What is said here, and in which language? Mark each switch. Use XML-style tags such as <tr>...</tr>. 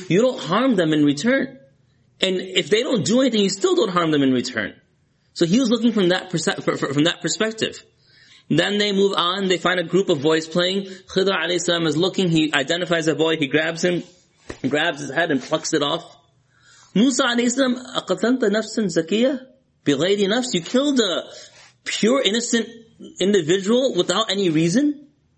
<en>You don't harm them in return. And if they don't do anything, you still don't harm them in return. So he was looking from that perspective. Then they move on. They find a group of boys playing. Khidr alayhi salam is looking. He identifies a boy. He grabs him, grabs his head and plucks it off.</en> <ar>Musa alayhi salam, أَقَتَلْتَ نَفْسًا زَكِيَّةً بِغَيْرِ نَفْسٍ.</ar> <en>You killed a pure innocent individual without any reason?</en>